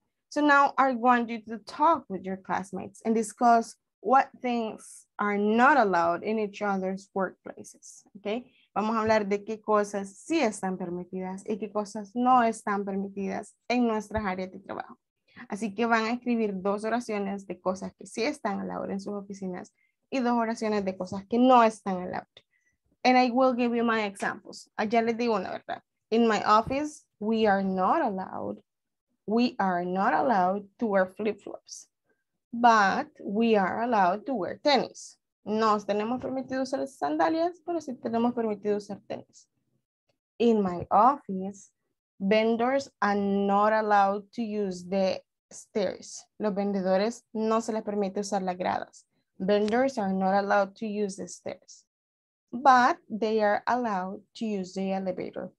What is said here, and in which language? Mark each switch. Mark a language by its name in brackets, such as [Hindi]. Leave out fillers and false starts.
[English] So now I want you to talk with your classmates and discuss what things are not allowed in each other's workplaces. Okay? [Spanish] Vamos a hablar de qué cosas sí están permitidas y qué cosas no están permitidas en nuestras áreas de trabajo. Así que van a escribir dos oraciones de cosas que sí están allowed en sus oficinas y dos oraciones de cosas que no están allowed. [English] And I will give you my examples. [Spanish] Allá les digo una verdad. [English] In my office, we are not allowed to wear flip-flops, but we are allowed to wear tennis. [Spanish] No tenemos permitido usar sandalias, pero sí tenemos permitido usar tenis. [English] In my office, vendors are not allowed to use the stairs. [Spanish] Los vendedores no se les permite usar las gradas. [English] Vendors are not allowed to use the stairs, but they are allowed to use the elevator.